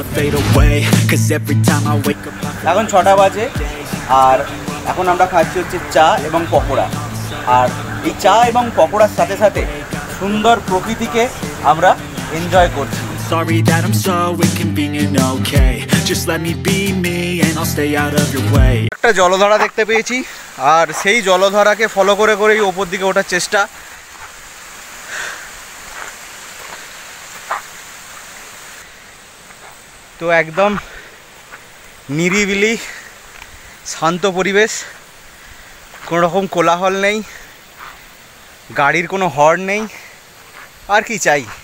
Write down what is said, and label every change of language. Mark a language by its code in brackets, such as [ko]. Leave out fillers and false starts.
[bn] এখন 6টা বাজে আর এখন আমরা খাচ্ছি হচ্ছে চা এবং পকোড়া। আর এই চা এবং পকোড়ার সাথে সাথে সুন্দর প্রকৃতিকে আমরা এনজয় করছি। [en] Sorry that I'm so inconvenient, okay. Just let me be me and I'll stay out of your way. [bn] একটা জলধারা দেখতে পেয়েছি আর সেই জলধারাকে ফলো করে করেই উপর দিকে ওঠার চেষ্টা। তো একদম নিরিবিলি শান্ত পরিবেশ, কোনো রকম কোলাহল নেই, গাড়ির কোনো হর্ন নেই, আর কি চাই।